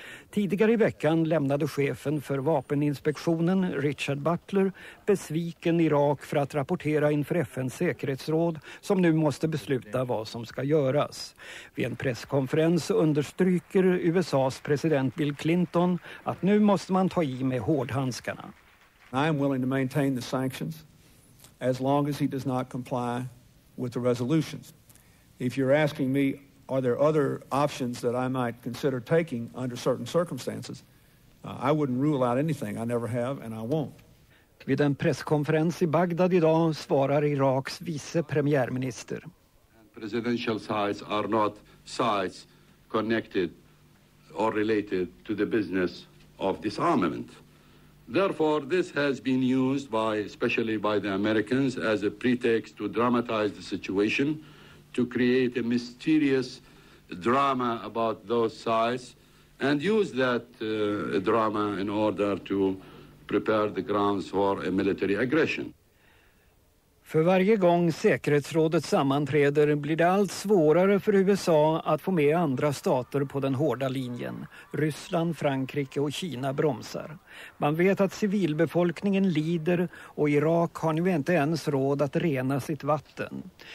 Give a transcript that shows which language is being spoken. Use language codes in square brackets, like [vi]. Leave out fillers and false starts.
[sv] Tidigare i veckan lämnade chefen för vapeninspektionen, Richard Butler, besviken Irak för att rapportera inför FNs säkerhetsråd som nu måste besluta vad som ska göras. Vid en presskonferens understryker USA:s president Bill Clinton att nu måste man ta i med hårdhandskarna. [en] I am willing to maintain the sanctions as long as he does not comply with the resolutions. If you're asking me are there other options that I might consider taking under certain circumstances? I wouldn't rule out anything. I never have and I won't. [sv] Vid en presskonferens i Bagdad idag svarar Iraks vice premiärminister. [en] Presidential sites are not sites connected or related to the business of disarmament. Therefore, this has been used by, especially by the Americans, as a pretext to dramatize the situation, to create a mysterious drama about those sites, and use that drama in order to prepare the grounds for a military aggression. [sv] För varje gång säkerhetsrådet sammanträder blir det allt svårare för USA att få med andra stater på den hårda linjen. Ryssland, Frankrike och Kina bromsar. Man vet att civilbefolkningen lider och Irak har nu inte ens råd att rena sitt vatten.